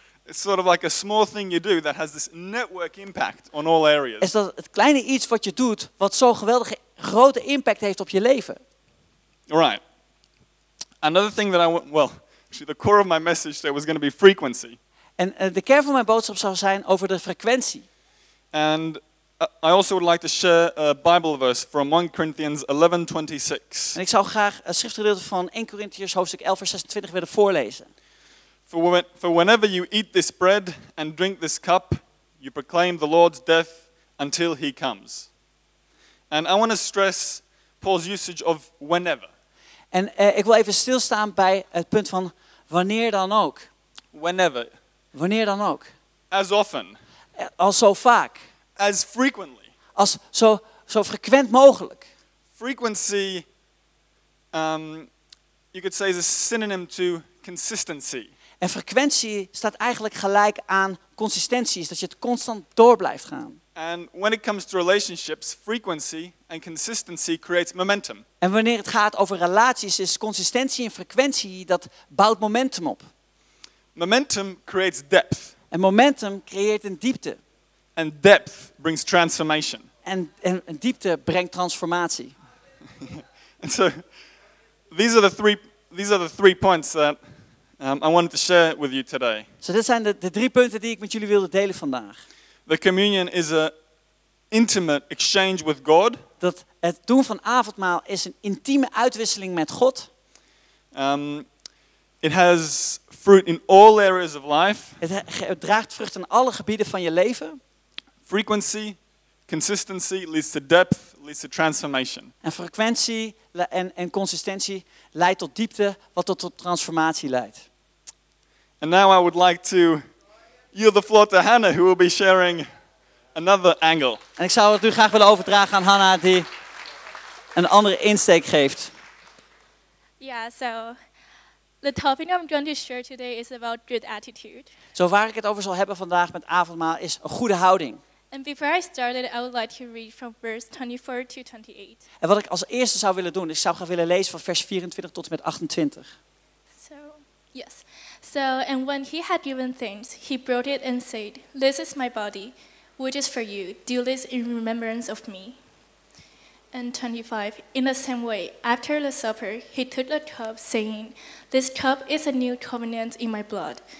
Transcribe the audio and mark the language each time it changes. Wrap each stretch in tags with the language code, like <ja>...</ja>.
<en>It's sort of like a small thing you do that has this network impact on all areas.</en> <nl>Is dat het kleine iets wat je doet wat zo'n geweldige grote impact heeft op je leven?</nl> <en>All right. Another thing that I want, well, actually the core of my message today was going to be frequency.</en> <nl>En de kern van mijn boodschap zou zijn over de frequentie.</nl> <en>And I also would like to share a Bible verse from 1 Corinthians 11:26.</en> <nl>En ik zou graag een schriftgedeelte van 1 Corinthians hoofdstuk 11 vers 26 willen voorlezen.</nl> <en>For whenever you eat this bread and drink this cup, you proclaim the Lord's death until he comes. And I want to stress Paul's usage of whenever.</en> <nl>En ik wil even stilstaan bij het punt van wanneer dan ook.</nl> <en>Whenever.</en> <nl>Wanneer dan ook.</nl> <en>As often.</en> <nl>Al zo vaak.</nl> <en>As frequently.</en> <nl>Als zo frequent mogelijk.</nl> <en>Frequency, you could say, is a synonym to consistency.</en> <nl>En frequentie staat eigenlijk gelijk aan consistentie, is dat je het constant door blijft gaan.</nl> <en>And when it comes to relationships, frequency and consistency creates momentum.</en> <nl>En wanneer het gaat over relaties, is consistentie en frequentie dat bouwt momentum op.</nl> <en>Momentum creates depth.</en> <nl>En momentum creëert een diepte.</nl> <en>And depth brings transformation.</en> <nl>En een diepte brengt transformatie.</nl> <en>And so these are the three points that I wanted to share with you today.</en> <nl>So dit zijn de drie punten die ik met jullie wilde delen vandaag.</nl> <en>The communion is a intimate exchange with God.</en> <nl>Dat het doen van avondmaal is een intieme uitwisseling met God.</nl> <en>It has fruit in all areas of life.</en> <nl>Het draagt vrucht in alle gebieden van je leven.</nl> <en>Frequency, consistency leads to depth, leads to transformation.</en> <nl>En frequentie en consistentie leidt tot diepte, wat tot transformatie leidt.</nl> <en>And now I would like to yield the floor to Hannah, who will be sharing another angle.</en> <nl>En ik zou het nu graag willen overdragen aan Hannah, die een andere insteek geeft.</nl> <en>Yeah, so the topic I'm going to share today is about good attitude.</en> <nl>Zo waar ik het over zal hebben vandaag met avondmaal is een goede houding.</nl> <en>And before I started, I would like to read from verse 24 to 28.</en> <nl>En wat ik als eerste zou willen doen, ik zou graag willen lezen van vers 24 tot en met 28.</nl> <en>So, yes. So, and when he had given thanks, he brought it and said, "This is my body, which is for you. Do this in remembrance of me." And 25, in the same way, after the supper, he took the cup, saying, "This cup is a new covenant in my blood.</en>